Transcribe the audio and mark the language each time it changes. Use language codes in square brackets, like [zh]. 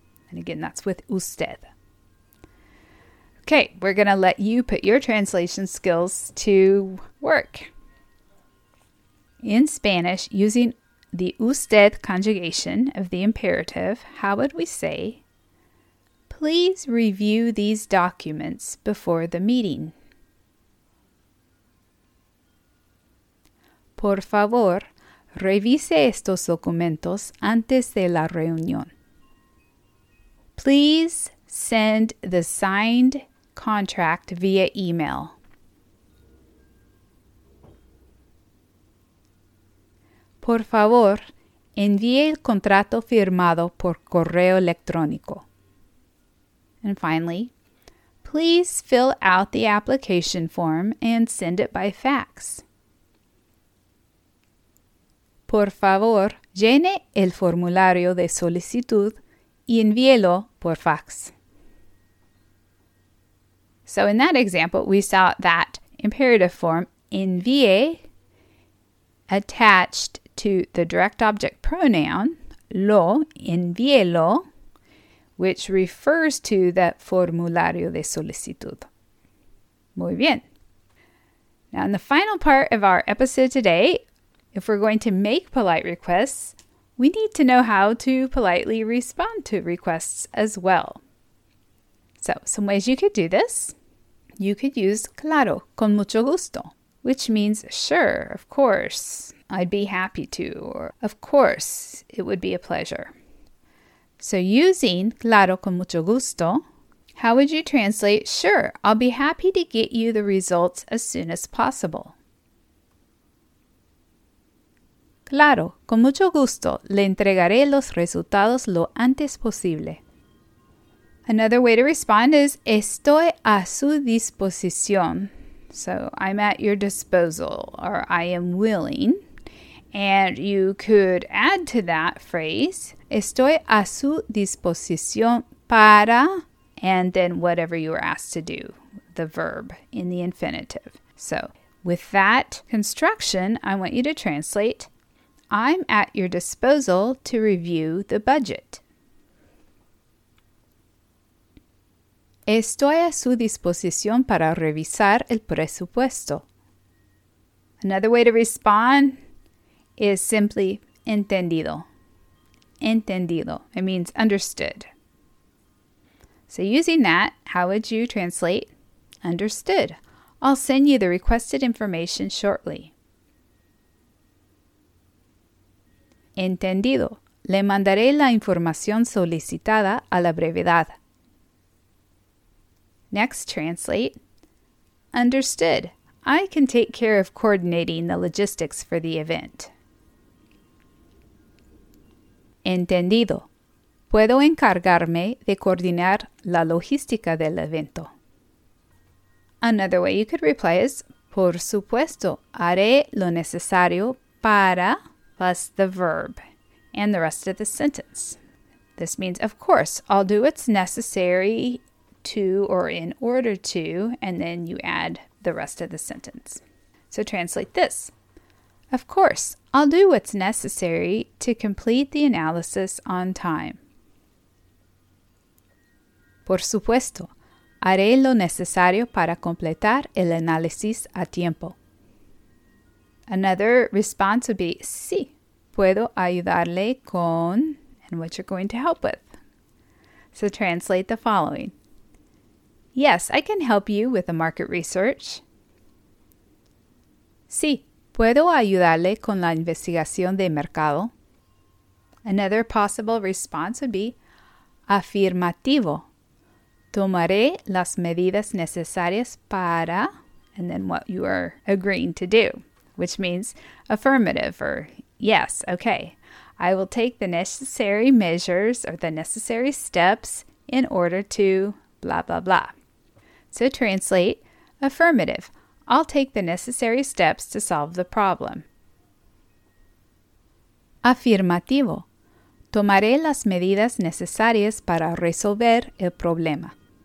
[en] And again, that's with usted. Okay, we're going to let you put your translation skills to work. In Spanish, using the usted conjugation of the imperative, how would we say, please review these documents before the meeting? [es] Por favor, revise estos documentos antes de la reunión. [en] Please send the signed contract via email. [es] Por favor, envíe el contrato firmado por correo electrónico. [en] And finally, please fill out the application form and send it by fax. [es] Por favor, llene el formulario de solicitud y envíelo por fax. [en] So in that example, we saw that imperative form, envíe, attached to the direct object pronoun, lo, envíelo, which refers to the [es] formulario de solicitud. Muy bien. [en] Now in the final part of our episode today, if we're going to make polite requests, we need to know how to politely respond to requests as well. So, some ways you could do this. You could use [es] claro, con mucho gusto, [en] which means sure, of course, I'd be happy to, or of course, it would be a pleasure. So using [es] claro, con mucho gusto, [en] how would you translate sure, I'll be happy to get you the results as soon as possible? [es] Claro, con mucho gusto, le entregaré los resultados lo antes posible. [en] Another way to respond is, [es] estoy a su disposición. [en] So, I'm at your disposal, or I am willing. And you could add to that phrase, [es] estoy a su disposición para, [en] and then whatever you are asked to do, the verb in the infinitive. So, with that construction, I want you to translate, I'm at your disposal to review the budget. [es] Estoy a su disposición para revisar el presupuesto. [en] Another way to respond is simply [es] entendido. Entendido. [en] It means understood. So using that, how would you translate understood? I'll send you the requested information shortly. [es] Entendido. Le mandaré la información solicitada a la brevedad. [en] Next, translate. Understood. I can take care of coordinating the logistics for the event. [es] Entendido. Puedo encargarme de coordinar la logística del evento. [en] Another way you could reply is, [es] por supuesto, haré lo necesario para... [en] plus the verb and the rest of the sentence. This means, of course, I'll do what's necessary to or in order to, and then you add the rest of the sentence. So translate this. Of course, I'll do what's necessary to complete the analysis on time. [es] Por supuesto, haré lo necesario para completar el análisis a tiempo. [en] Another response would be, sí. [es] Puedo ayudarle con, [en] and what you're going to help with. So translate the following. Yes, I can help you with the market research. [es] Sí, puedo ayudarle con la investigación de mercado. [en] Another possible response would be afirmativo. [es] Tomaré las medidas necesarias para, [en] and then what you are agreeing to do, which means affirmative or yes, okay. I will take the necessary measures or the necessary steps in order to blah, blah, blah. So translate, affirmative. I'll take the necessary steps to solve the problem. [es] Afirmativo. Tomaré las medidas necesarias para resolver el problema.